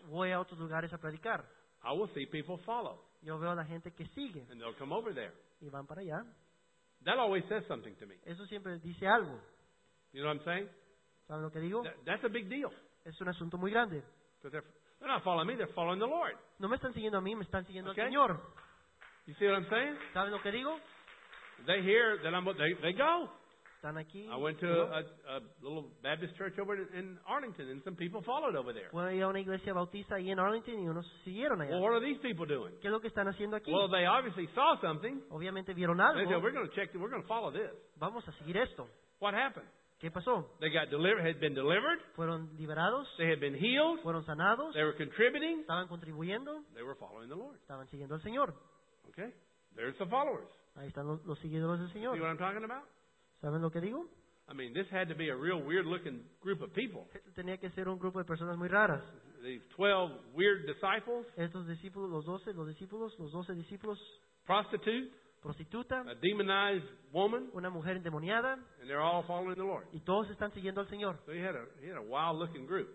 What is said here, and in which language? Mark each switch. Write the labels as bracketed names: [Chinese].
[Spanish] voy a otros lugares a predicar. [English] I will see people follow. [Spanish] Yo veo a la gente que sigue. [English] And they'll come over there. [Spanish] Y van para allá. [English] That always says something to me. [Spanish] Eso siempre dice algo. [English] You know what I'm saying? [Spanish] ¿Saben lo que digo? [English] That's a big deal. [Spanish] Es un asunto muy grande. [English] Because they're not following me, they're following the Lord. [Spanish] No me están siguiendo a mí, me están siguiendo al Señor. [English] You see what I'm saying? [Spanish] ¿Saben lo que digo? [English] They hear that I'm, they go. [Spanish] Están aquí. [English] I went to a little Baptist church over in Arlington, and some people followed over there. [Spanish] Fui a una iglesia bautista ahí en Arlington, y unos siguieron allá. [English] Well, what are these people doing? [Spanish] ¿Qué es lo que están haciendo aquí? [English] Well, they obviously saw something. [Spanish] Obviamente vieron algo. [English] They said, we're going to check, we're going to follow this. [Spanish] Vamos a seguir esto. [English] What happened? [Spanish] ¿Qué pasó? [English] They got delivered, had been delivered. [Spanish] Fueron liberados. [English] They had been healed. [Spanish] Fueron sanados. [English] They were contributing. [Spanish] Estaban contribuyendo. [English] They were following the Lord. [Spanish] Estaban siguiendo al Señor. [English] Okay. There's the followers. [Spanish] Ahí están los seguidores del Señor. [English] See what I'm talking about? [Spanish] ¿Saben lo que digo? [English] I mean, this had to be a real weird-looking group of people. [Spanish] Tenía que ser un grupo de personas muy raras. [English] These 12 weird disciples. [Spanish] Estos discípulos, los doce discípulos. [English] Prostitutes. [Spanish] Prostituta, [English] a demonized woman, [Spanish] una mujer endemoniada, [English] and they're all following the Lord. [Spanish] Y todos están siguiendo al Señor. [English] So he had a wild-looking group.